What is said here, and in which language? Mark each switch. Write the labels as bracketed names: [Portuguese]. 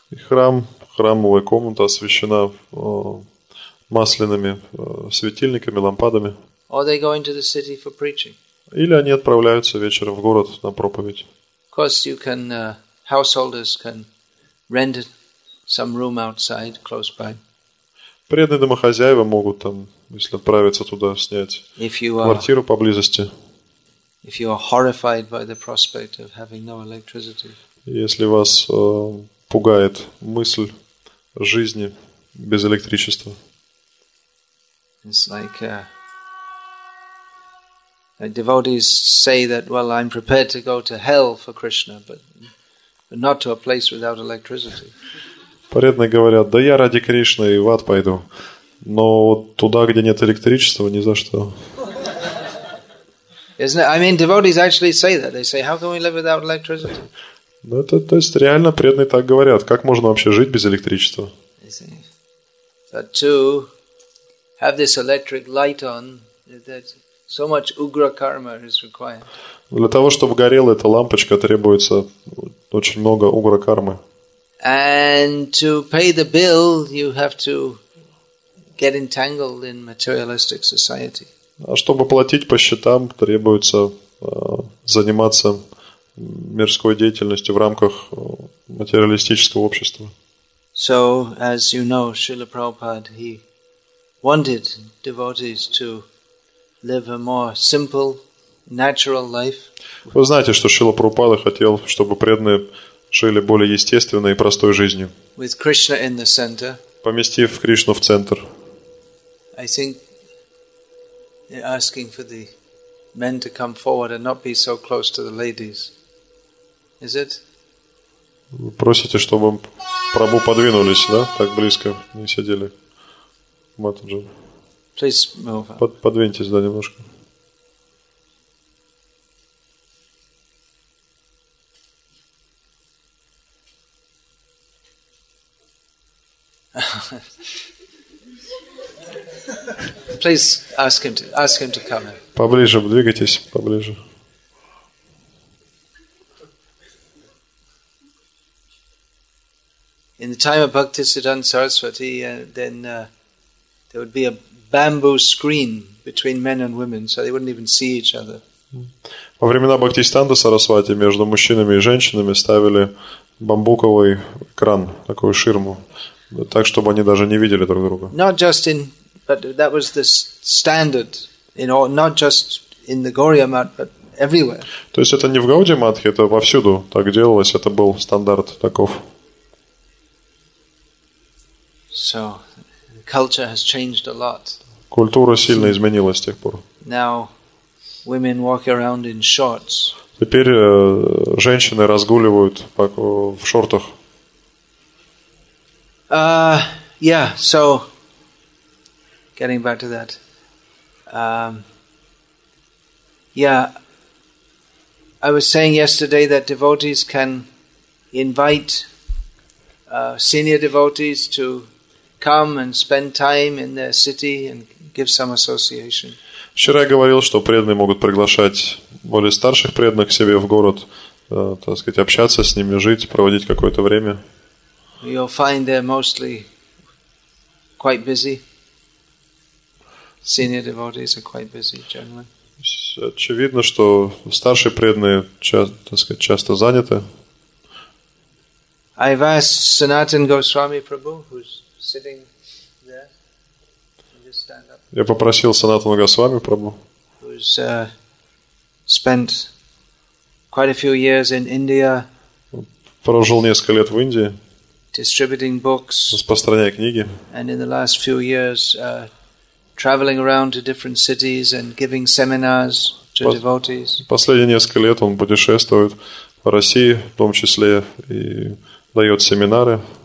[Russian] Храм, храмовая комната освещена масляными светильниками, лампадами. [English] Or they go into the city for preaching. [Russian] Или они отправляются вечером в город на проповедь. [English] Of course you can householders can rent some room outside close by. [Russian] Преданные домохозяева могут там, если отправиться туда, снять квартиру поблизости. [English] If you are horrified by the prospect of having no electricity. [Russian] Если вас пугает мысль жизни без электричества. [English] It's like devotees say that, well, I'm prepared to go to hell for Krishna, but not to a place without electricity. [Russian] Преданные говорят: да я ради Кришны и в ад пойду, но вот туда, где нет электричества, ни за что. [English] Isn't it? I mean, devotees actually say that. They say, how can we live without electricity? [Russian] Ну, это, то есть, реально преданные так говорят. Как можно вообще жить без электричества? [English] But to have this electric light on, that so much ugra karma is required. [Russian] Для того, чтобы горела эта лампочка, требуется очень много угра кармы. [English] And to pay the bill, you have to get entangled in materialistic society. [Russian] А чтобы платить по счетам, требуется заниматься мирской деятельностью в рамках материалистического общества. [English] So, as you know, Srila Prabhupada, he wanted devotees to live a more simple, natural life. [Russian] Вы знаете, что Шрила Прабхупада хотел, чтобы преданные жили более естественной и простой жизнью. [English] With Krishna in the center. [Russian] Поместив Кришну в центр. [English] I think they're asking for the men to come forward and not be so close to the ladies. Is it? [Russian] Вы просите, чтобы Прабху подвинулись, да? Так близко не сидели. Матаджи. [English] Please move up. [Russian] Подвиньтесь, да, немножко. [English] Please ask him to come. [Russian] Поближе, двигайтесь поближе. [English] In the time of Bhaktisiddhanta Saraswati, then there would be a bamboo screen between men and women, so they wouldn't even see each other. [Russian] Во времена Бхактисиддханта Сарасвати между мужчинами и женщинами ставили бамбуковый экран, такую ширму, так чтобы они даже не видели друг друга. [English] Not just in, but that was the standard in all, not just in the Gaudiya Math, but everywhere. [Russian] То есть это не в Гауди Матхе, это повсюду так делалось, это был стандарт таков. [English] So, culture has changed a lot. [Russian] Культура сильно изменилась с тех пор. [English] Now, women walk around in shorts. [Russian] Теперь женщины разгуливают в шортах. [English] Yeah. So, getting back to that. I was saying yesterday that devotees can invite senior devotees to come and spend time in their city and give some association. [Russian] Вчера я говорил, что преданные могут приглашать более старших преданных к себе в город, так сказать, общаться с ними, жить, проводить какое-то время. [English] You'll find they're mostly quite busy. Senior devotees are quite busy generally. [Russian] Очевидно, что старшие преданные, так сказать, часто заняты. [English] I've asked Sanatan Goswami Prabhu, who's sitting there. Just stand up. [Russian] Я попросил Санатану Госвами Прабху. [English] Who's spent quite a few years in India. [Russian] Прожил несколько лет в Индии. [English] Distributing books. [Russian] Распространяя книги. [English] And in the last few years, traveling around to different cities and giving seminars to devotees. [Russian] Последние несколько лет он путешествует по России, в том числе и дает семинары.